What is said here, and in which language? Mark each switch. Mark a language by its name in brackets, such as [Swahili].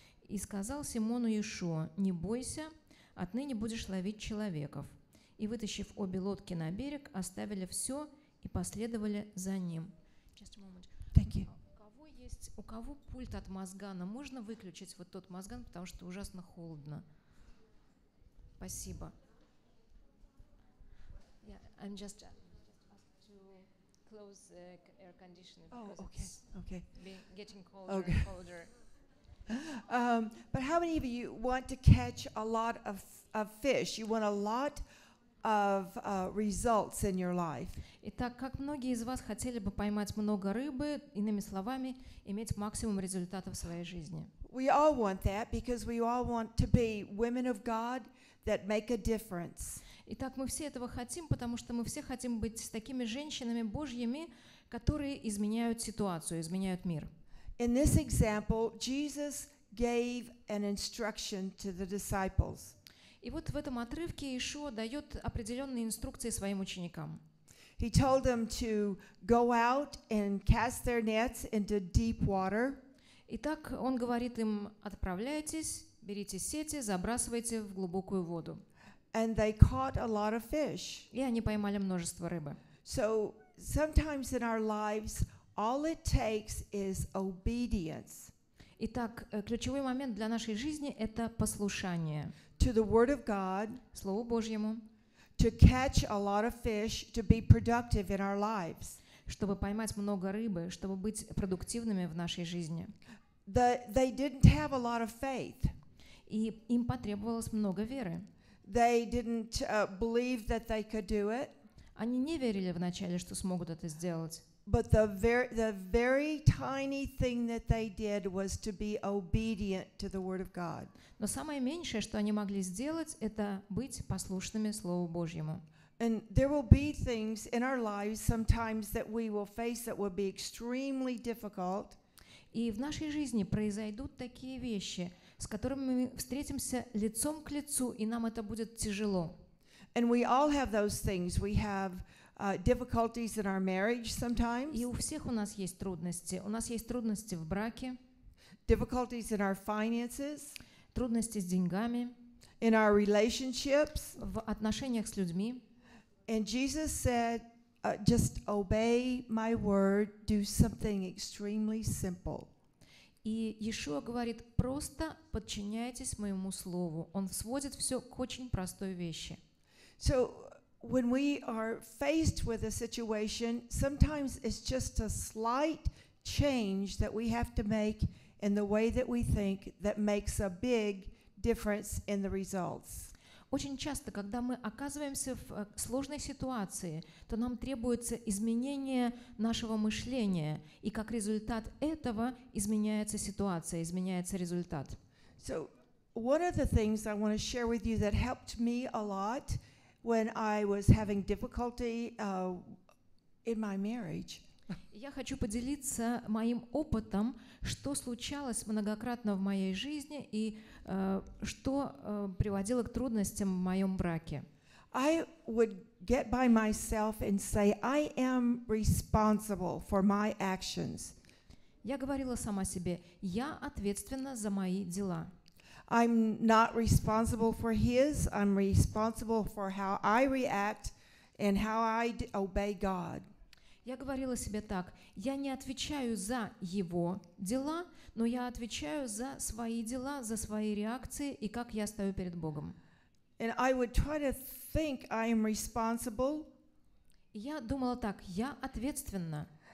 [Russian] И сказал Симону Иешуа: «Не бойся, отныне будешь ловить человеков». И, вытащив обе лодки на берег, оставили все и последовали за ним. [English] Just a moment. Thank you. [Russian] У кого пульт от мозгана? Можно выключить вот тот мозган, потому что ужасно холодно. Спасибо. [English] Yeah, I'm just asked to close the air conditioning because it's getting colder and colder. But how many of you want to catch a lot of fish? You want a lot of results in your life. [Russian] Итак, как многие из вас хотели бы поймать много рыбы, иными словами, иметь максимум результатов в своей жизни. [English] We all want that because we all want to be women of God that make a difference. [Russian] Итак, мы все этого хотим, потому что мы все хотим быть такими женщинами Божьими, которые изменяют ситуацию, изменяют мир. [English] In this example, Jesus gave an instruction to the disciples. [Russian] И вот в этом отрывке Иешуа дает определенные инструкции своим ученикам. [English] He told them to go out and cast their nets into deep water. [Russian] Итак, он говорит им: отправляйтесь, берите сети, забрасывайте в глубокую воду. [English] And they caught a lot of fish. [Russian] И они поймали множество рыбы. [English] So sometimes in our lives all it takes is obedience. [Russian] Итак, ключевой момент для нашей жизни — это послушание. [English] To the Word of God, [Russian] Слову Божьему, [English] to catch a lot of fish, to be productive in our lives. [Russian] Чтобы поймать много рыбы, чтобы быть продуктивными в нашей жизни. [English] They didn't have a lot of faith. [Russian] И им потребовалось много веры. [English] They didn't believe that they could do it. [Russian] Они не верили вначале, что смогут это сделать. [English] But the very tiny thing that they did was to be obedient to the word of God. [Russian] Но самое меньшее, что они могли сделать, это быть послушными Слову Божьему. [English] And there will be things in our lives sometimes that we will face that will be extremely difficult. [Russian] И в нашей жизни произойдут такие вещи, с которыми мы встретимся лицом к лицу, и нам это будет тяжело. [English] And we all have those things. We have difficulties in our marriage sometimes. [Russian] И у всех у нас есть трудности. У нас есть трудности в браке. [English] Difficulties in our finances. [Russian] Трудности с деньгами. [English] In our relationships. [Russian] В отношениях с людьми. [English] And Jesus said, just obey my word, do something extremely simple. [Russian] И Иешуа говорит: просто подчиняйтесь моему слову. Он сводит все к очень простой вещи. [English] So when we are faced with a situation, sometimes it's just a slight change that we have to make in the way that we think that makes a big difference in the results. [Russian] Очень часто, когда мы оказываемся в сложной ситуации, то нам требуется изменение нашего мышления, и как результат этого изменяется ситуация, изменяется результат. [English] So one of the things I want to share with you that helped me a lot when I was having difficulty in my marriage. [Russian] Я хочу поделиться моим опытом, что случалось многократно в моей жизни и что приводило к трудностям в моем браке. [English] I would get by myself and say, I am responsible for my actions. [Russian] Я говорила сама себе: я ответственна за мои дела. [English] I'm not responsible for his, I'm responsible for how I react and how I obey God. [Russian] Я говорила себе так: я не отвечаю за его дела, но я отвечаю за свои дела, за свои реакции и как я стою перед Богом. [English] And I would try to think I am responsible. [Russian] Я думала так: я ответственна.